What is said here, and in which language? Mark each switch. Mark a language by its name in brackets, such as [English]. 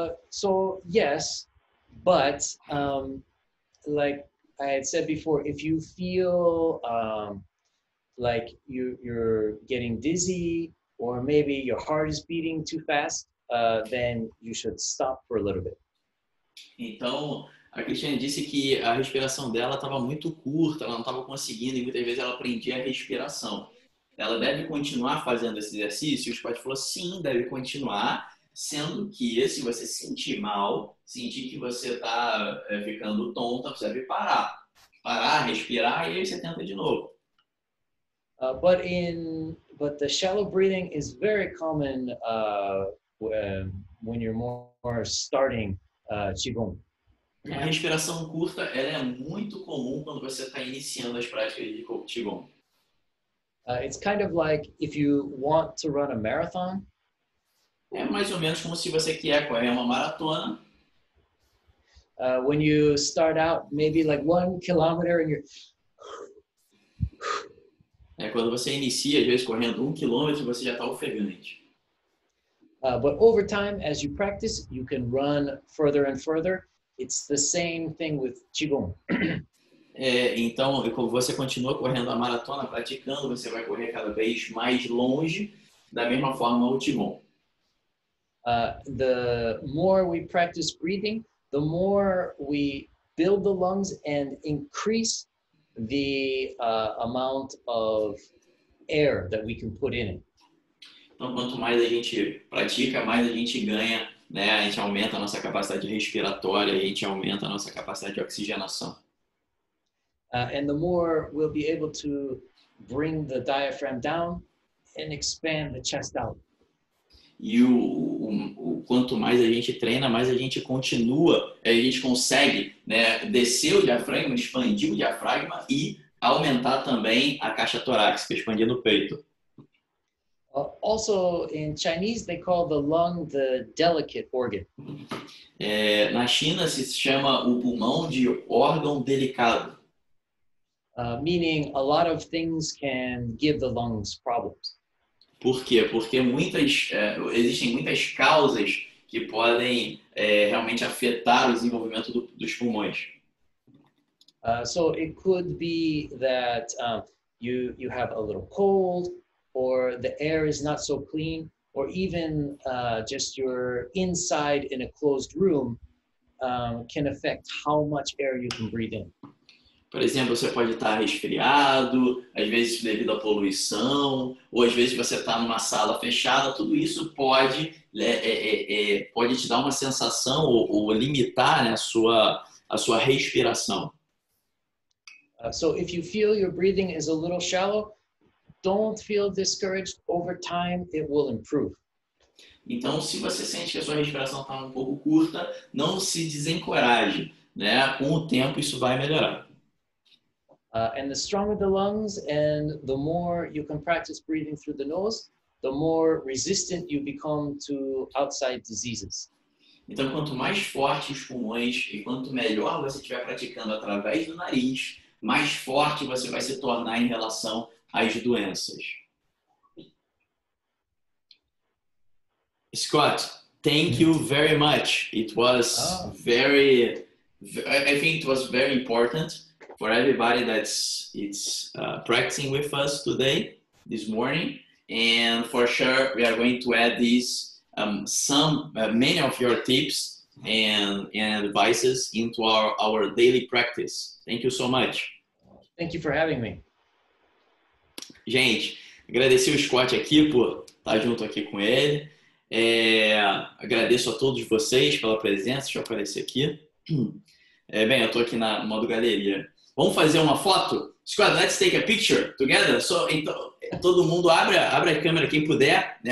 [English] So yes, but like I had said before, if you feel like you're getting dizzy, or maybe your heart is beating too fast, then you should stop for a little bit. [Portuguese] Então, a Cristiane disse que a respiração dela estava muito curta, ela não estava conseguindo, e muitas vezes ela prendia a respiração. Ela deve continuar fazendo esse exercício? O Scott falou, sim, deve continuar, sendo que se você sentir mal, sentir que você está ficando tonta, você deve parar. Parar, respirar, e aí você tenta de novo. [English] But the shallow breathing is very common when you're more starting Qigong. [Portuguese] A respiração curta, ela é muito comum quando você está iniciando as práticas de Qigong. [English] It's kind of like if you want to run a marathon. [Portuguese] É mais ou menos como se você quer correr uma maratona. [English] When you start out, maybe like 1 kilometer and you're... [Portuguese] Quando você inicia, às vezes, correndo 1 quilômetro, você já está ofegante. [English] But over time, as you practice, you can run further and further. It's the same thing with Qigong. [Portuguese] Então, quando você continua correndo a maratona, praticando, você vai correr cada vez mais longe, da mesma forma o Qigong. [English] The more we practice breathing, the more we build the lungs and increase the amount of air that we can put in it. [Portuguese] Então, quanto mais a gente pratica, mais a gente ganha, né? A gente aumenta a nossa capacidade respiratória, a gente aumenta a nossa capacidade de oxigenação. [English] And the more we'll be able to bring the diaphragm down and expand the chest out. [Portuguese] E quanto mais a gente treina, mais a gente continua, a gente consegue, né, descer o diafragma, expandir o diafragma e aumentar também a caixa torácica, expandindo o peito. [English] Also, in Chinese, they call the lung the delicate organ. [Portuguese] Na China, se chama o pulmão de órgão delicado. [English] Meaning, a lot of things can give the lungs problems. [Portuguese] Por quê? Porque existem muitas causas que podem realmente afetar o desenvolvimento dos pulmões. [English] So it could be that you have a little cold, or the air is not so clean, or even just you're inside in a closed room can affect how much air you can breathe in. [Portuguese] Por exemplo, você pode estar resfriado, às vezes devido à poluição, ou às vezes você está numa sala fechada, tudo isso pode, pode te dar uma sensação ou limitar, né, a sua respiração. [English] So if you feel your breathing is a little shallow, don't feel discouraged. Over time, it will improve. [Portuguese] Então, se você sente que a sua respiração está um pouco curta, não se desencoraje, né? Com o tempo, isso vai melhorar. [English] And the stronger the lungs, and the more you can practice breathing through the nose, the more resistant you become to outside diseases. [Portuguese] Então, quanto mais forte os pulmões e quanto melhor você estiver praticando através do nariz, mais forte você vai se tornar em relação às doenças. [English] Scott, thank you very much. It was I think it was very important for everybody that's practicing with us today, this morning. And for sure, we are going to add these many of your tips and advices into our daily practice. Thank you so much. Thank you for having me. [Portuguese] Gente, agradecer o Scott aqui por estar junto aqui com ele. É, agradeço a todos vocês pela presença. Deixa eu aparecer aqui. É, bem, eu tô aqui na modo galeria. Vamos fazer uma foto? [English] Squad, let's take a picture together. [Portuguese] So, então, todo mundo abre a câmera, quem puder, né?